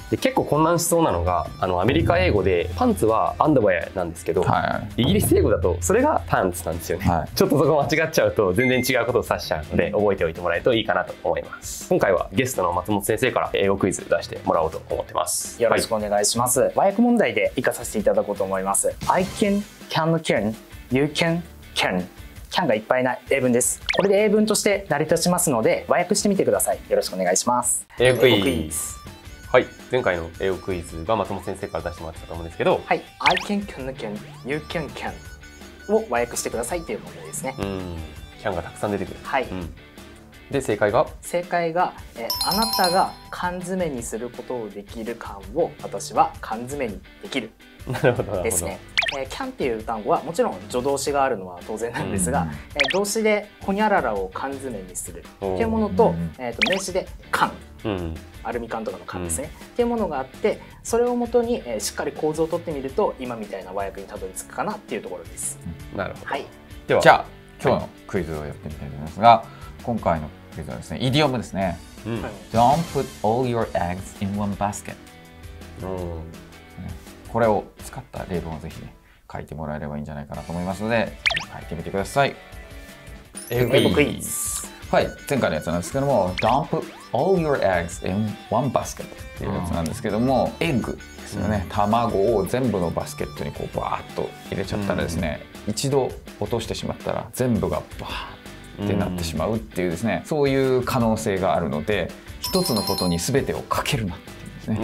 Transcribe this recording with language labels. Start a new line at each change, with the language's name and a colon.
Japanese: で結構混乱しそうなのが、あのアメリカ英語でパンツはアンダーウェアなんですけど、はいはい、イギリス英語だとそれがパンツなんですよね、はい、ちょっとそこ間違っちゃうと全然違うことを指しちゃうので、覚えておいてもらえるといいかなと思います。今回はゲストの松本先生から英語クイズ出してもらおうと思ってます。よろしくお願いします。和訳問題で活かさせていただこうと思います。
English: I can, can, can, you can, can、
Japanese: キャンがいっぱいな英文です。これで英文として成り立ちますので和訳してみてください。よろしくお願いします。英語クイズ、はい、前回の英語クイズが松本先生から出してもらったと思うんですけど、はい、
English: I can can can you can can
Japanese: を和訳してくださいっていう問題ですね。キャンがたくさん出てくる、はい、うん、で正解が、正解がえあなたが缶詰にすることをできる缶を私は缶詰にできる、なるほど、なるほどですね。 can っていう単語はもちろん助動詞があるのは当然なんですが、うん、動詞でほにゃららを缶詰にするっていうもの と、名詞で缶、うん、アルミ缶とかの缶ですね、うん、っていうものがあって、それをもとに、しっかり構造をとってみると今みたいな和訳にたどり着くかなっていうところです。なるほど、はい、ではじゃあ今日のクイズをやってみたいと思いますが、今回のクイズはですねイディオムですね、うん、
English: Don't put all your eggs in one basket、
Japanese: うん、これを使った例文をぜひ、ね、書いてもらえればいいんじゃないかなと思いますので書いてみてください。英語クイズ、はい、前回のやつなんですけども
English: Don't put all your eggs in one basket
Japanese: っていうやつなんですけども、うん、エッグですよね、うん、卵を全部のバスケットにこうバーッと入れちゃったらですね、うん、一度落としてしまったら全部がバーッってなってしまうっていうですね、うん、そういう可能性があるので一つのことに全てをかけるなっていうんですね。